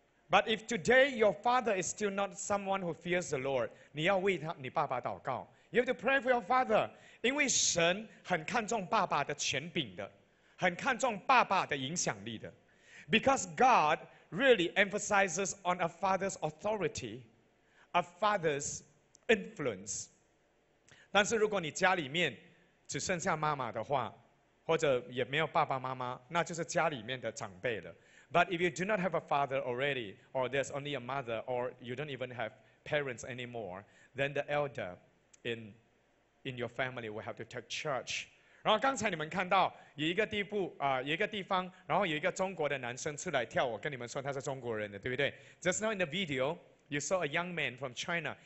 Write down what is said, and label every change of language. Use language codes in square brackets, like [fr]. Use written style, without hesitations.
[en] But if today your father is still not someone who fears the Lord, [zh] 你要为他你爸爸祷告。 [en] You have to pray for your father, [zh] 因为神很看重爸爸的权柄的，很看重爸爸的影响力的。 [en] Because God really emphasizes on a father's authority, a father's influence. [zh] 但是如果你家里面只剩下妈妈的话，或者也没有爸爸妈妈，那就是家里面的长辈了。 [en] But if you do not have a father already, or there's only a mother, or you don't even have parents anymore, then the elder in your family will have to take charge. [zh] 然后刚才你们看到有一个地步啊、有一个地方，然后有一个中国的男生出来跳舞，跟你们说他是中国人的，对不对 ？ [en] Just now in the video, you saw a young man from China.